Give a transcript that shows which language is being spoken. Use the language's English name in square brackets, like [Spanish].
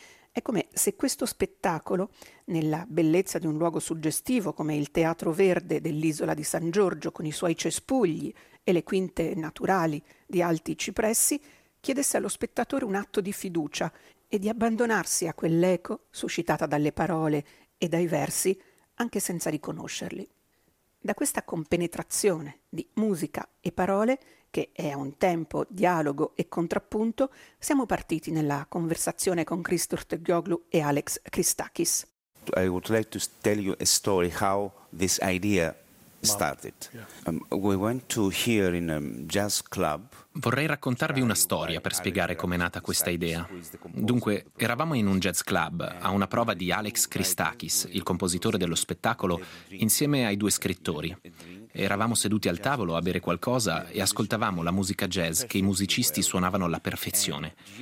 [Italian] È come se questo spettacolo, nella bellezza di un luogo suggestivo come il Teatro Verde dell'Isola di San Giorgio con i suoi cespugli e le quinte naturali di alti cipressi, chiedesse allo spettatore un atto di fiducia e di abbandonarsi a quell'eco suscitata dalle parole e dai versi anche senza riconoscerli. da questa compenetrazione di musica e parole, che è a un tempo dialogo e contrappunto, siamo partiti nella conversazione con Christo Ortegioglu e Alex Christakis. [English] I would like to tell you a story how this idea started. We went to here in a jazz club. [Italian] Vorrei raccontarvi una storia per spiegare com'è nata questa idea. Dunque, eravamo in un jazz club a una prova di Alex Christakis, il compositore dello spettacolo, insieme ai due scrittori. Eravamo seduti al tavolo a bere qualcosa e ascoltavamo la musica jazz che i musicisti suonavano alla perfezione.